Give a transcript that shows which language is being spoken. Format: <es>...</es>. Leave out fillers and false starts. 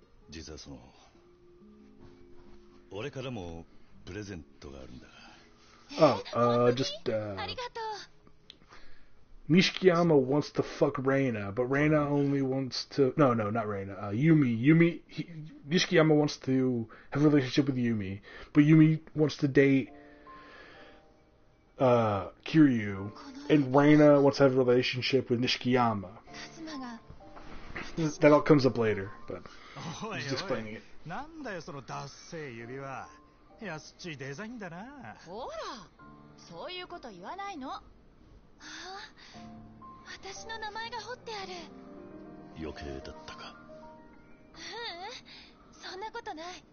<ja>実はその俺からもプレゼントがあるんだ。</ja> <en>あ、just</en> <ja>ありがとう。</ja> <en>Nishikiyama wants to fuck Reina, but Reina only wants to no no not Reina. Yumi, Yumi, Nishikiyama wants to have a relationship with Yumi, but Yumi wants to date Kiryu, and Reina wants to have a relationship with Nishikiyama. That all comes up later, but I'm just explaining it.</en> <ja>なんだよそのダッセイ指は。安っちいデザインだな。ほら、そういうこと言わないの。ああ、私の名前が彫ってある。余計だったか。ううん、そんなことない。</ja>